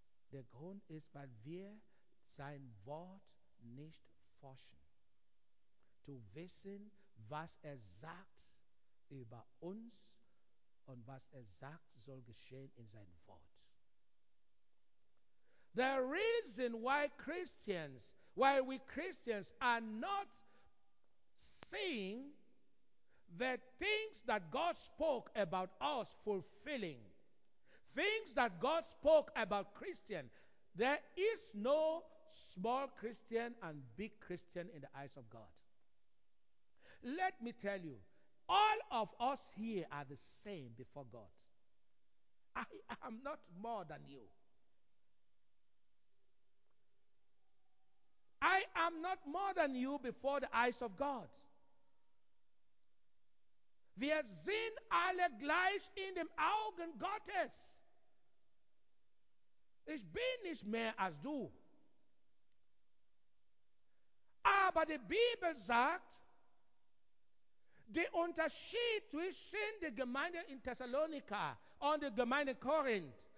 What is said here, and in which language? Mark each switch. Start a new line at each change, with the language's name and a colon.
German: Der Grund ist, weil wir sein Wort nicht forschen. Zu wissen, was er sagt über uns und was er sagt, soll geschehen in seinem Wort.
English: The reason why we Christians are not seeing the things that God spoke about us fulfilling, things that God spoke about Christian, there is no small Christian and big Christian in the eyes of God. Let me tell you, all of us here are the same before God. I am not more than you. I am not more than you before the eyes of God.
German: Wir sind alle gleich in den Augen Gottes. Ich bin nicht mehr als du. Aber die Bibel sagt, der Unterschied zwischen der Gemeinde in Thessalonica und der Gemeinde Korinth